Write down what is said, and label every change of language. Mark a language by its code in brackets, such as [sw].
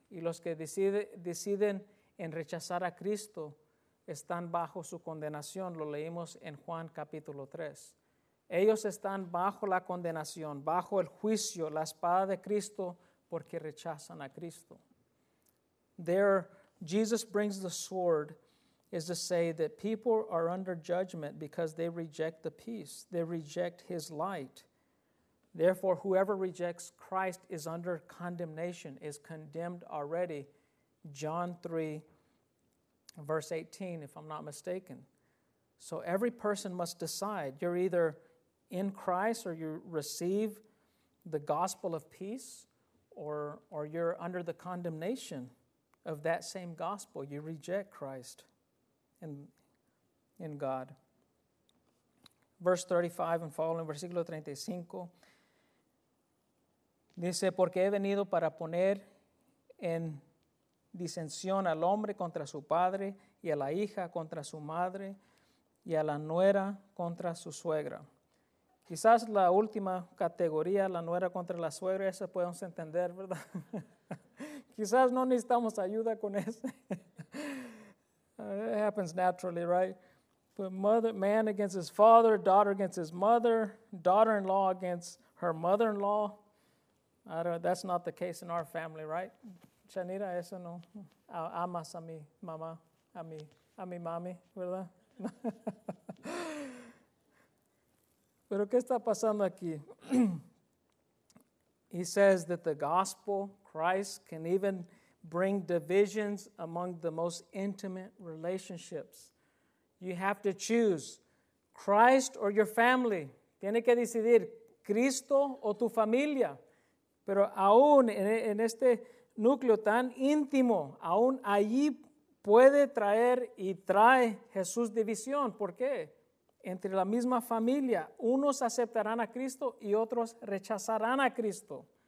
[es] Y los que deciden en rechazar a Cristo están bajo su condenación. Lo leímos en Juan capítulo 3. Ellos están bajo la condenación, bajo el juicio, la espada de Cristo, porque rechazan a Cristo. [en] There, Jesus brings the sword is to say that people are under judgment because they reject the peace. They reject his light. Therefore, whoever rejects Christ is under condemnation, is condemned already. John 3, verse 18, if I'm not mistaken. So every person must decide. You're either in Christ or you receive the gospel of peace, or you're under the condemnation of that same gospel. You reject Christ. And in God. Verse 35 and following, [es] versículo 35, dice, porque he venido para poner en disensión al hombre contra su padre, y a la hija contra su madre, y a la nuera contra su suegra. Quizás la última categoría, la nuera contra la suegra, eso podemos entender, ¿verdad? Quizás no necesitamos ayuda con eso. [en] It happens naturally, right? But mother, man against his father, daughter against his mother, daughter-in-law against her mother-in-law. That's not the case in our family, right? [es] Chanira, eso no. Amas a mi mamá, a mi mami, ¿verdad? Pero ¿qué está pasando aquí? [en] He says that the gospel, Christ, can even bring divisions among the most intimate relationships. You have to choose Christ or your family. [es] Tiene que decidir Cristo o tu familia. Pero aún en este núcleo tan íntimo, aún allí puede traer y trae Jesús división. ¿Por qué? Entre la misma familia, unos aceptarán a Cristo y otros rechazarán a Cristo.